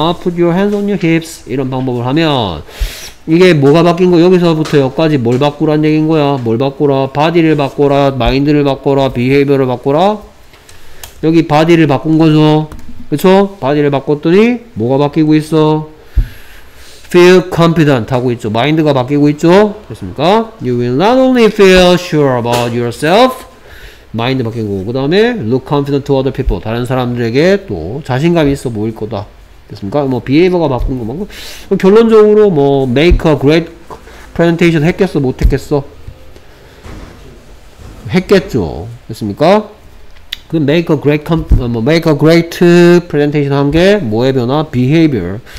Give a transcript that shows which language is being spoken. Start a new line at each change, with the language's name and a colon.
English: Put your hands on your hips
Korean: 이런 방법을 하면 이게 뭐가 바뀐 거 여기서부터 여기까지 뭘 바꾸란 얘기인 거야. 뭘 바꾸라? 바디를 바꾸라. 마인드를 바꾸라. 비헤이비어를 바꾸라. 여기 바디를 바꾼 거죠. 그쵸? 바디를 바꿨더니 뭐가 바뀌고 있어?
English: Feel confident
Korean: 하고 있죠. 마인드가 바뀌고 있죠. 됐습니까?
English: You will not only feel sure about yourself.
Korean: 마인드 바뀐 거고 그 다음에
English: look confident to other people.
Korean: 다른 사람들에게 또 자신감이 있어 보일 거다. 됐습니까? 뭐 behavior가 바꾼 거 말고 결론적으로 뭐
English: make a great presentation
Korean: 했겠어? 못 했겠어? 했겠죠. 됐습니까? 그
English: make a great presentation
Korean: 한 게 뭐에 변화? behavior.